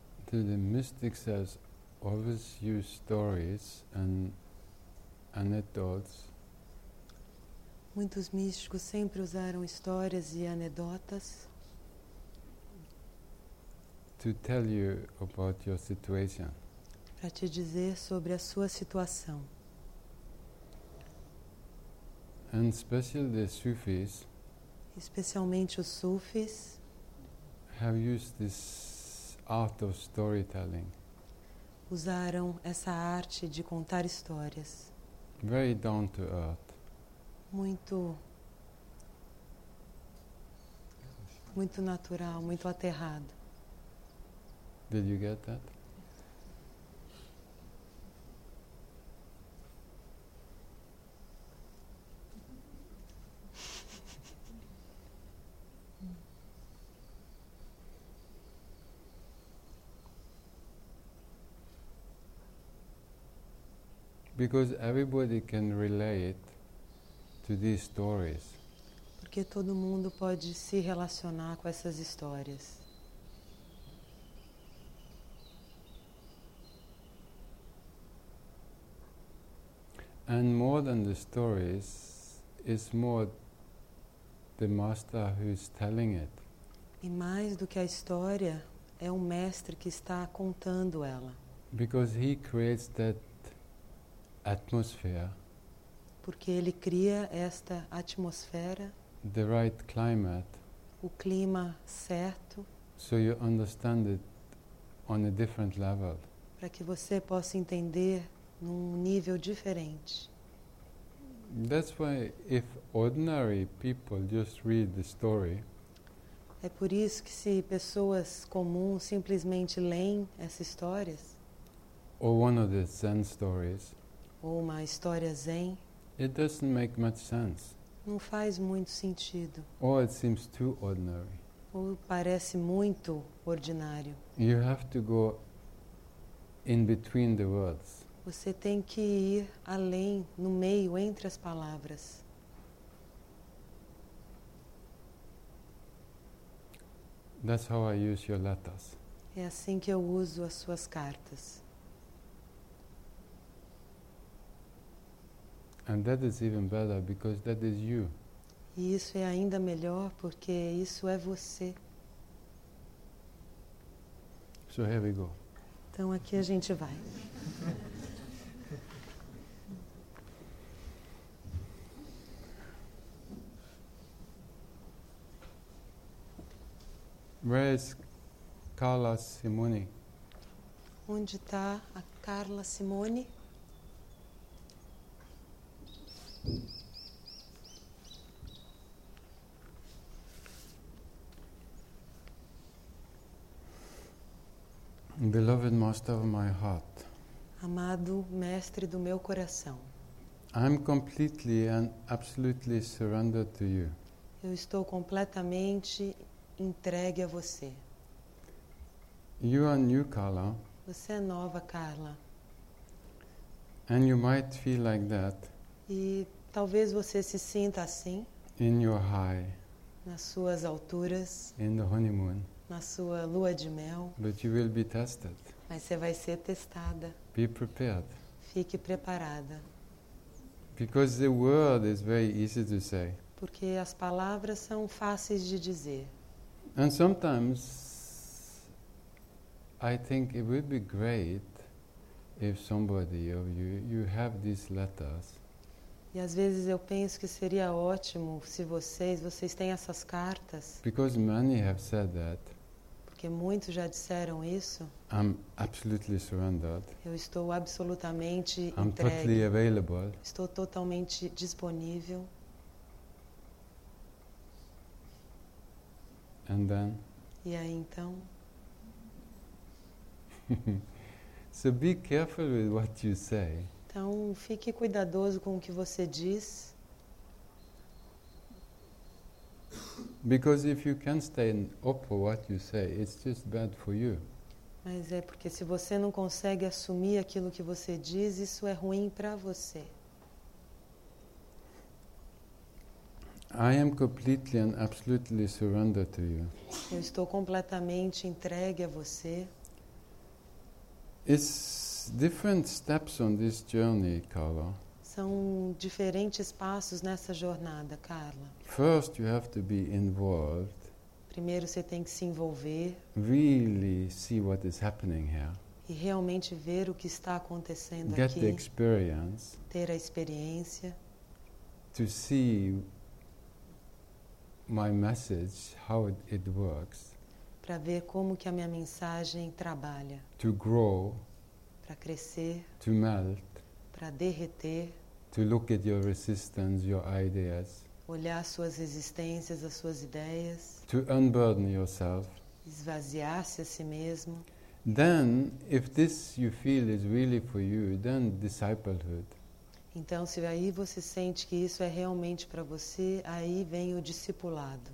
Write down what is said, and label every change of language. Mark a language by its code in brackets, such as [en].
[en] Do the mystics as always use stories and anecdotes? [pt] Muitos místicos sempre usaram histórias e anedotas. [en] To tell you about your situation. [pt] Para te dizer sobre a sua situação. [en] And especially the Sufis. [pt] Especialmente os Sufis. [en] Have used this art of storytelling. [pt] Usaram essa arte de contar histórias. [en] Very down to earth. [pt] Muito natural, muito aterrado. [en] Did you get that? Because everybody can relate to these stories. [pt] Porque todo mundo pode se relacionar com essas histórias. [en] And more than the stories, it's more the master who's telling it. [pt] E mais do que a história, é o mestre que está contando ela. [en] Because he creates that atmosphere. [pt] Porque ele cria esta atmosfera, [en] the right climate, [pt] o clima certo, [en] so you understand it on a different level, [pt] para que você possa entender num nível diferente. [en] That's why if ordinary people just read the story, [pt] é por isso que se pessoas comuns simplesmente leem essas histórias, [en] or one of the Zen stories, [pt] ou uma história Zen, [en] it doesn't make much sense. [pt] Não faz muito sentido. [en] Or it seems too ordinary. [pt] Ou parece muito ordinário. [en] You have to go in between the words. [pt] Você tem que ir além, no meio, entre as palavras. [en] That's how I use your letters. [pt] É assim que eu uso as suas cartas. [en] And that is even better because that is you. [pt] E isso é ainda melhor porque isso é você. [en] So here we go. [pt] Então aqui a gente vai. [en] Where is Carla Simone? [pt] Onde está a Carla Simone? [en] Beloved master of my heart. [pt] Amado mestre do meu coração. [en] I'm completely and absolutely surrendered to you. [pt] Eu estou completamente entregue a você. [en] You are new, Carla. [pt] Você é nova, Carla. [en] And you might feel like that. [pt] E talvez você se sinta assim. [en] In your high. [pt] Nas suas alturas. [en] In the honeymoon. [pt] Na sua lua de mel. [en] But you will be tested. [pt] Mas você vai ser testada. [en] Be prepared. [pt] Fique preparada. [en] Because the word is very easy to say. [pt] Porque as palavras são fáceis de dizer. [en] And sometimes I think it would be great if somebody of you have these letters. [pt] E às vezes eu penso que seria ótimo se vocês têm essas cartas. [en] Because many have said that. [pt] Porque muitos já disseram isso. [en] I'm absolutely surrendered. [pt] Eu estou absolutamente [en] I'm [pt] entregue. [en] Totally available. [pt] Estou totalmente disponível. [en] And then? [pt] E aí então? [en] So be careful with what you say. [pt] Então, fique cuidadoso com o que você diz. [en] Because if you can stay up for what you say, it's just bad for you. [pt] Mas é porque se você não consegue assumir aquilo que você diz, isso é ruim para você. [en] I am completely and absolutely surrendered to you. [pt] Eu estou completamente entregue a você. [en] It's different steps on this journey, Carla. [pt] São diferentes passos nessa jornada, Carla. [en] First, you have to be involved. [pt] Primeiro, você tem que se envolver. [en] Really see what is happening here. [pt] E realmente ver o que está acontecendo [en] get [pt] aqui. [en] The experience. [pt] Ter a experiência. [en] To see my message, how it works. [pt] Para ver como que a minha mensagem trabalha. [en] To grow. [pt] Para crescer. [en] To melt. [pt] Para derreter. [en] To look at your resistance, your ideas. [pt] Olhar suas resistências, as suas ideias. [en] To unburden yourself. [pt] Esvaziar-se a si mesmo. [en] Then, if this you feel is really for you, then disciplehood. [pt] Então, se aí você sente que isso é realmente para você, aí vem o discipulado.